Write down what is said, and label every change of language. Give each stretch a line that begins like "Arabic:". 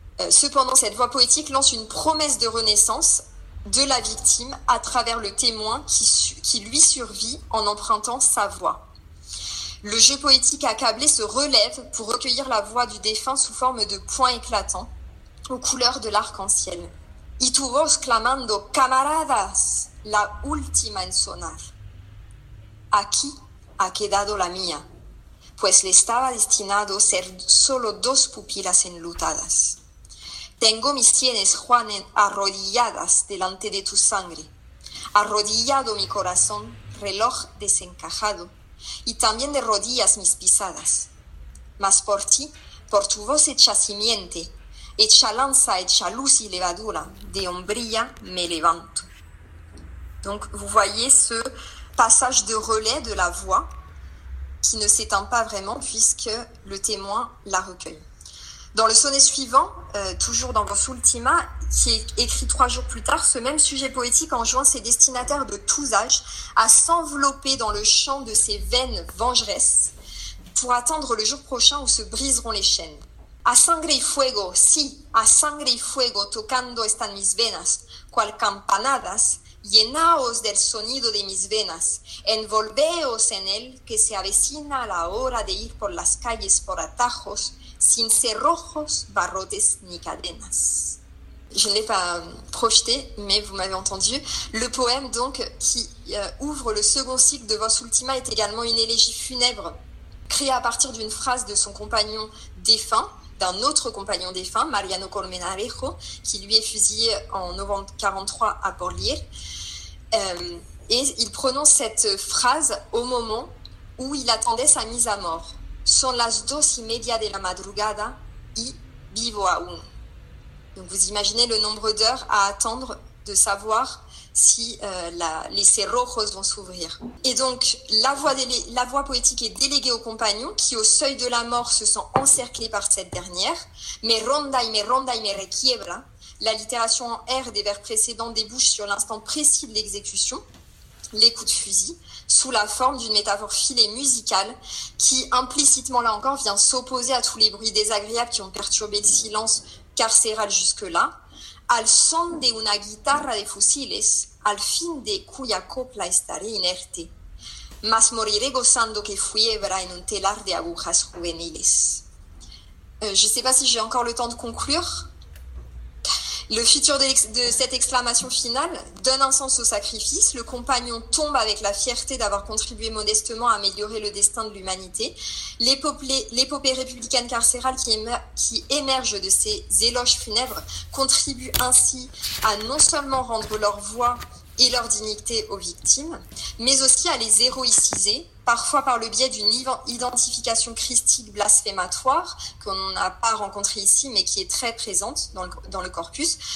French: Cependant, cette voix poétique lance une promesse de renaissance de la victime à travers le témoin qui lui survit en empruntant sa voix. Le jeu poétique accablé se relève pour recueillir la voix du défunt sous forme de points éclatants aux couleurs de l'arc-en-ciel.
Spanish: Y tu voz clamando, camaradas, la última en sonar. Aquí ha quedado la mía, pues le estaba destinado ser solo dos pupilas enlutadas. Tengo mis sienes, Juan, arrodilladas delante de tu sangre. Arrodillado mi corazón, reloj desencajado. Y también de rodillas mis pisadas. Mas por ti, por tu voz hecha simiente, hecha lanza, hecha luz y levadura, de hombría me levanto.
French: Donc, vous voyez ce passage de relais de la voix qui ne s'éteint pas vraiment puisque le témoin la recueille. Dans le sonnet suivant, toujours dans Vos Ultima, qui est écrit 3 jours plus tard, ce même sujet poétique enjoint ses destinataires de tous âges à s'envelopper dans le chant de ses vaines vengeresses pour attendre le jour prochain où se briseront les chaînes.
Spanish: A sangre y fuego, sí, a sangre y fuego tocando están mis venas, cual campanadas, llenaos del sonido de mis venas, envolveos en él que se avecina la hora de ir por las calles por atajos, sin cerrojos, barrotes ni cadenas.
French: Je ne l'ai pas projeté, mais vous m'avez entendu. Le poème donc qui ouvre le second cycle de Vos Ultima est également une élégie funèbre créée à partir d'une phrase de son compagnon défunt, d'un autre compagnon défunt, Mariano Colmenarejo, qui lui est fusillé en novembre 43 à Porlier. Et il prononce cette phrase au moment où il attendait sa mise à mort.
Spanish: Son las dos y media de la madrugada y vivo aún.
French: Donc vous imaginez le nombre d'heures à attendre de savoir si les cerrojos vont s'ouvrir. Et donc la voix poétique est déléguée au compagnon qui au seuil de la mort se sent encerclé par cette dernière.
Spanish: Me ronda y me ronda y me requiebra.
French: La littération en R des vers précédents débouche sur l'instant précis de l'exécution. Les coups de fusil, sous la forme d'une métaphore filée musicale qui, implicitement là encore, vient s'opposer à tous les bruits désagréables qui ont perturbé le silence carcéral jusque-là.
Spanish: Al son de una guitarra de fusiles, al fin de cuya copla estaré inerte, mas moriré gozando que fiebra en un telar de agujas juveniles.
French: Je ne sais pas si j'ai encore le temps de conclure. Le futur de cette exclamation finale donne un sens au sacrifice. Le compagnon tombe avec la fierté d'avoir contribué modestement à améliorer le destin de l'humanité. L'épopée républicaine carcérale qui émerge de ces éloges funèbres contribue ainsi à non seulement rendre leur voix et leur dignité aux victimes, mais aussi à les héroïciser, parfois par le biais d'une identification christique blasphématoire, qu'on n'a pas rencontrée ici, mais qui est très présente dans le corpus.